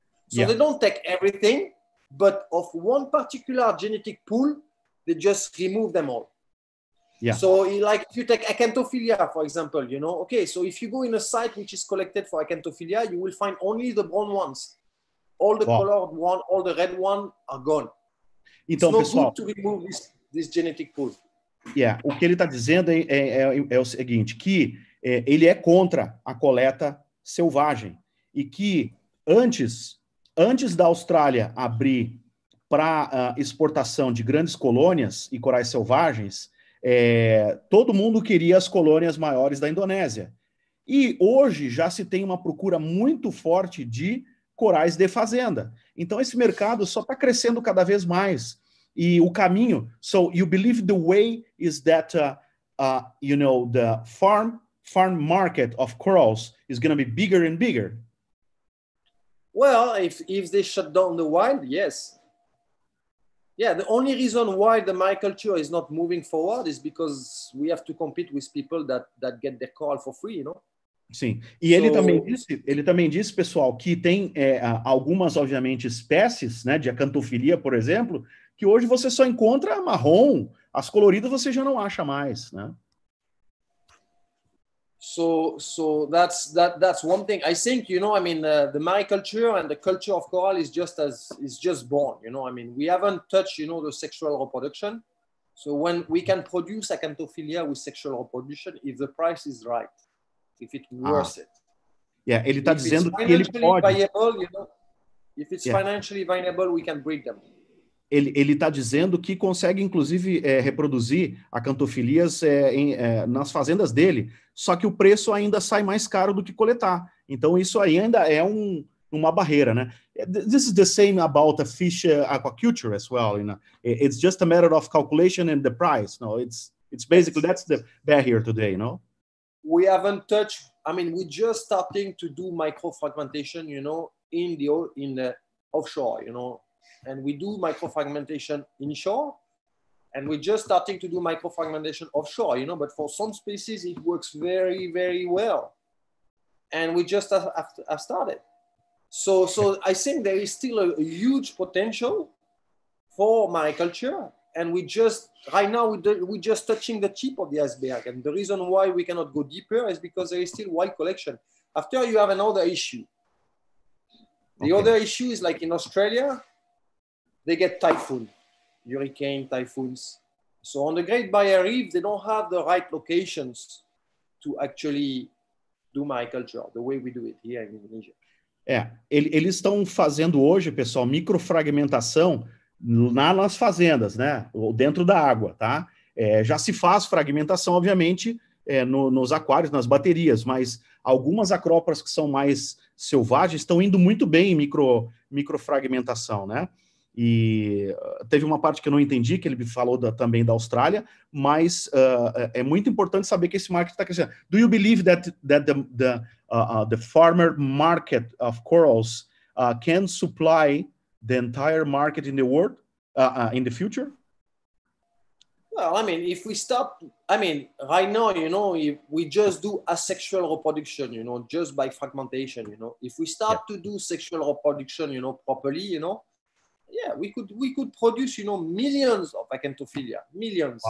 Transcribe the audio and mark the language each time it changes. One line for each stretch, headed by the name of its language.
English: So yeah, they don't take everything, but of one particular genetic pool, they just remove them all. Yeah. So like if you take acanthophilia, for example, you know, okay, so if you go in a site which is collected for acanthophilia, you will find only the brown ones. All the colored one, all the red one are gone.
Portuguese: Então,
English: it's not good to remove this genetic pool.
Portuguese: Yeah, o que ele está dizendo é o seguinte, que ele é contra a coleta selvagem e que antes da Austrália abrir para exportação de grandes colônias e corais selvagens, todo mundo queria as colônias maiores da Indonésia. E hoje já se tem uma procura muito forte de corais de fazenda. Então esse mercado só está crescendo cada vez mais. E o caminho...
English: So you believe the way is that, you know, the farm market of corals is going to be bigger and bigger? Well, if they shut down the wild, yes. Yeah, the only reason why the mariculture is not moving forward is because we have to compete with people that get their coral for free, you know?
Portuguese: Sim. E so, ele também disse, pessoal, que tem algumas, obviamente, espécies, né, de acantofilia, por exemplo, que hoje você só encontra marrom. As coloridas você já não acha mais, né?
English: So that's one thing. I think, you know, I mean, the mariculture and the culture of coral is just born, you know. I mean, we haven't touched, you know, the sexual reproduction. So when we can produce acantophilia with sexual reproduction, if the price is right, if it's worth it.
Portuguese: Yeah, ele tá dizendo que ele pode.
English: Viable, you know, if it's financially viable, we can breed them.
Portuguese: Ele está dizendo que consegue, inclusive, reproduzir acantofilias nas fazendas dele, só que o preço ainda sai mais caro do que coletar. Então, isso aí ainda é uma barreira, né?
English: This is the same about a fish aquaculture as well, you know? It's just a matter of calculation and the price. No, it's basically, that's the barrier today, you know? We haven't touched, I mean, we're just starting to do microfragmentation, you know, in the offshore, you know? And we do microfragmentation inshore, and we're just starting to do microfragmentation offshore, you know, but for some species, it works very, very well. And we just have started. So I think there is still a huge potential for mariculture. And we just, right now, we're just touching the tip of the iceberg. And the reason why we cannot go deeper is because there is still wild collection. After, you have another issue. The other issue is, like in Australia, they get typhoon, hurricane, typhoons. So on the Great Barrier Reef, they don't have the right locations to actually do mariculture the way we do it here in Indonesia.
Portuguese: Eles estão fazendo hoje, pessoal, microfragmentação nas fazendas, né? Ou dentro da água, tá? Já se faz fragmentação, obviamente, nos aquários, nas baterias, mas algumas acrópolas que são mais selvagens estão indo muito bem em microfragmentação, né? E teve uma parte que eu não entendi, que ele falou também da Austrália, mas é muito importante saber que esse market está crescendo.
English: Do you believe that the farmer market of corals can supply the entire market in the world in the future? Well, I mean, if we stop, I mean, right now, you know, if we just do asexual reproduction, you know, just by fragmentation, you know, if we start to do sexual reproduction, you know, properly, you know, yeah, we could produce, you know, millions of acantophilia, millions.